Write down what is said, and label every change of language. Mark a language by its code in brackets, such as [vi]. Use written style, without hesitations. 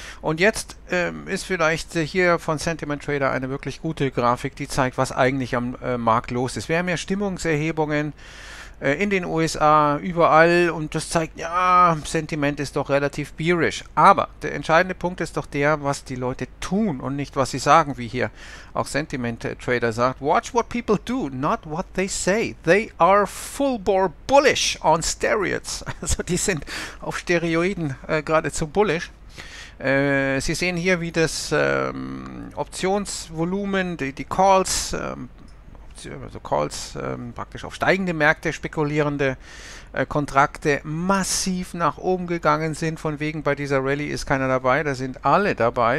[de] Und jetzt ist vielleicht hier von Sentiment Trader eine wirklich gute Grafik, die zeigt, was eigentlich am Markt los ist. Wir haben ja Stimmungserhebungen in den USA, überall, und das zeigt, ja, Sentiment ist doch relativ bearish. Aber der entscheidende Punkt ist doch der, was die Leute tun und nicht, was sie sagen, wie hier auch Sentiment Trader sagt. [en] Watch what people do, not what they say. They are full bore bullish on steroids. [de] Also die sind auf Steroiden geradezu bullish. Sie sehen hier, wie das Optionsvolumen, die Calls, also Calls praktisch auf steigende Märkte spekulierende Kontrakte massiv nach oben gegangen sind, von wegen bei dieser Rallye ist keiner dabei, da sind alle dabei.